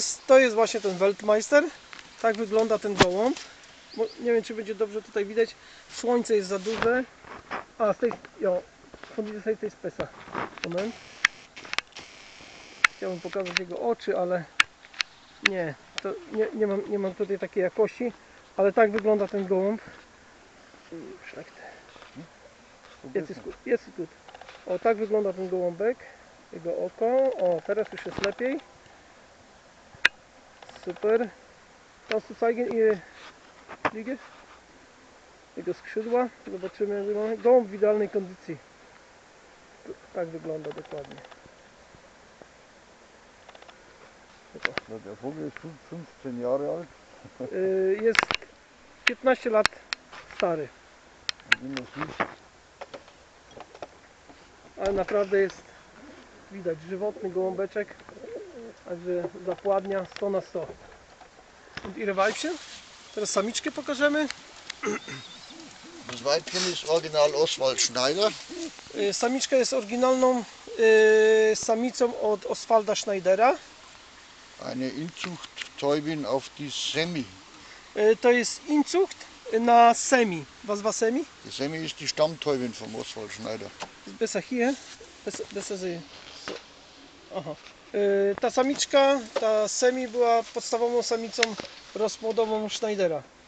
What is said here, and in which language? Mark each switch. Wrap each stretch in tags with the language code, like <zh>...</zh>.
<pl>To jest właśnie ten Weltmeister. Tak wygląda ten gołąb. Nie wiem, czy będzie dobrze tutaj widać. Słońce jest za duże. A, z tej...</pl> <de>Jo, von dieser Seite ist besser.</de> <pl>Moment. Chciałbym pokazać jego oczy, ale... Nie, to nie mam tutaj takiej jakości. Ale tak wygląda ten gołąb. Szlachty. Jest tu. O, tak wygląda ten gołąbek. Jego oko. O, teraz już jest lepiej. Super.</pl> <de>Kannst du zeigen ihr Fliege?</de> <pl>Jego skrzydła. Zobaczymy, jak wygląda. Gołąb w idealnej kondycji. Tak wygląda dokładnie.</pl> <de>No, der Vogel</de> <pl>jest</pl> <de>15 Jahre alt.</de> <pl>Jest 15 lat stary. Ale naprawdę jest widać żywotny gołąbeczek, także zapładnia 100 na 100.</pl> <de>Und ihre Weibchen?</de> <pl>Teraz samiczkę pokażemy.</pl> <de>Das Weibchen ist original Oswald Schneider.</de> <pl>Samiczka jest oryginalną samicą od Oswalda Schneidera.</pl> <de>Eine Inzucht Täubin auf die Semi.</de> <pl>To jest Inzucht na Semi.</pl> <de>Was war Semi? Die Semi ist die Stammtäubin von Oswald Schneider. Besser hier. Besser sehen. So. Aha.</de> <pl>Ta samiczka, ta Semi była podstawową samicą rozpłodową Schneidera.</pl>